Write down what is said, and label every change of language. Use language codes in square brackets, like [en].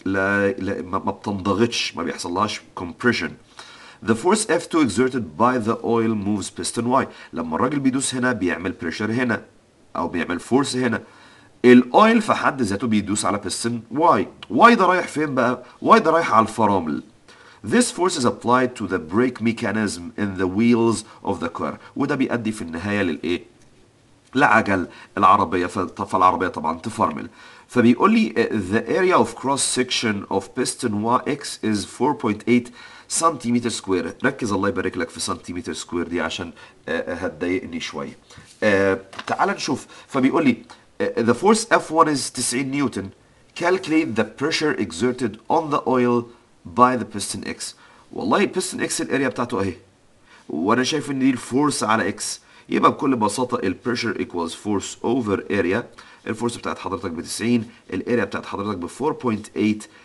[ar] ما بتنضغطش، ما بيحصلهاش compression. [en] the force F2 exerted by the oil moves piston Y. [ar] لما الراجل بيدوس هنا بيعمل pressure هنا، أو بيعمل force هنا. الأويل في حد ذاته بيدوس على piston Y. Y ده رايح فين بقى؟ Y ده رايح على الفرامل. [en] This force is applied to the brake mechanism in the wheels of the car. [ar] وده بيؤدي في النهاية للإيه؟ لعجل العربية، فالعربية طبعا تفرمل. فبيقول لي [en] the area of cross section of piston YX is 4.8 [ar] سنتيمتر سكوير. ركز الله يبارك لك في سنتيمتر سكوير دي عشان هتضايقني شوية. تعال نشوف. فبيقول لي [en] the force F1 is 90 newton. Calculate the pressure exerted on the oil by the piston X. [ar] والله piston X الاريا بتاعته اهي، وانا شايف ان دي الفورس على X. يبقى بكل بساطة ال [en] pressure equals force over area. [ar] الفورس بتاعت حضرتك ب 90، الاريا بتاعت حضرتك ب 4.8.